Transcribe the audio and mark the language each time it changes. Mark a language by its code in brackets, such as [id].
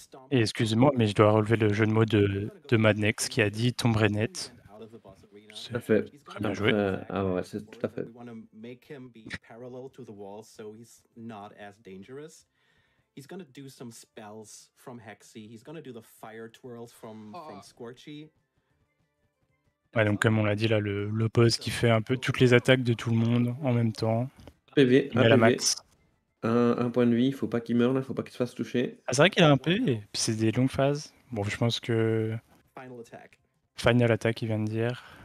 [fr] Et excusez-moi, mais je dois relever le jeu de mots de Madnex qui a dit « Tomb Raider ». Tout à fait. Très bien joué. Ah ouais, c'est tout à fait. [en] We want to make him be parallel to the wall so he's not as dangerous. He's going to do some spells from Hexy. He's going to do the fire twirls from Scorchy. [fr] Ouais, donc comme on l'a dit là, le boss qui fait un peu toutes les attaques de tout le monde en même temps. PV, un PV. Un point de vie, il faut pas qu'il meure là, il faut pas qu'il se fasse toucher. Ah, c'est vrai qu'il a un PV, puis c'est des longues phases. Bon, je pense que... [en] Final attack, [fr] il vient de dire.